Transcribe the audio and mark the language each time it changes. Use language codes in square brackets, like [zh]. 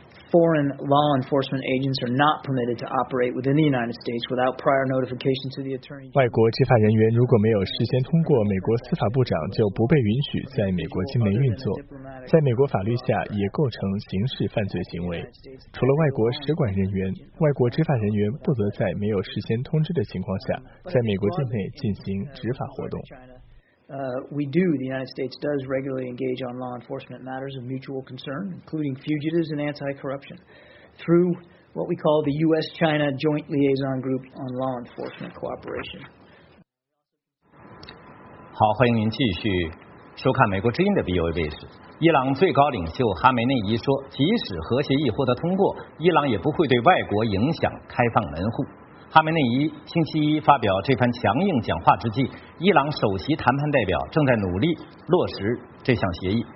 [en] Foreign law enforcement agents are not permitted to operate within the United States without prior notification to the attorney. [zh] 外国执法人员如果没有事先通过美国司法部长，就不被允许在美国境内运作，在美国法律下也构成刑事犯罪行为。除了外国使馆人员，外国执法人员不得在没有事先通知的情况下，在美国境内进行执法活动。 [en] The United States does regularly engage on law enforcement matters of mutual concern, including fugitives and anti-corruption, through what we call the U.S.-China Joint Liaison Group on Law Enforcement Cooperation. [zh] 好，欢迎您继续收看美国之音的 VOA 卫视。伊朗最高领袖哈梅内伊说，即使核协议获得通过，伊朗也不会对外国影响开放门户。哈梅内伊星期一发表这番强硬讲话之际，伊朗首席谈判代表正在努力落实这项协议。